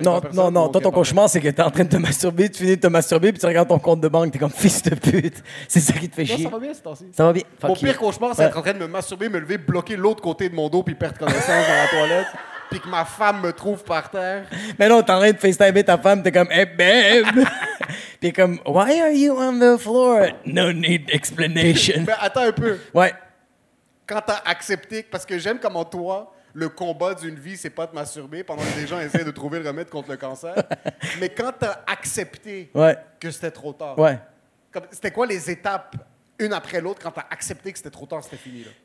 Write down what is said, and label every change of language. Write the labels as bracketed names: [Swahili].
[French] non, non, non, toi, ton cauchemar, c'est que t'es en train de te masturber, tu finis de te masturber, puis tu regardes ton compte de banque, t'es comme, fils de pute, c'est ça qui te fait chier. Ça va bien, ce temps-ci. Ça va bien. Mon pire cauchemar, c'est être en train de me masturber, me lever, bloquer l'autre côté de mon dos, puis perdre connaissance dans la toilette. Puis que ma femme me trouve par terre. Mais non, t'es en train de FaceTimer ta femme, t'es comme, [English] hey, babe! [French] Puis comme, [English] why are you on the floor? No need explanation. [French] Mais attends un peu. Ouais. Quand t'as accepté, parce que j'aime comment toi, le combat d'une vie, c'est pas de masturber pendant que des gens essaient de trouver le remède contre le cancer. Mais quand t'as accepté que c'était trop tard, c'était quoi les étapes, une après l'autre, quand t'as accepté que c'était trop tard, c'était fini? Là?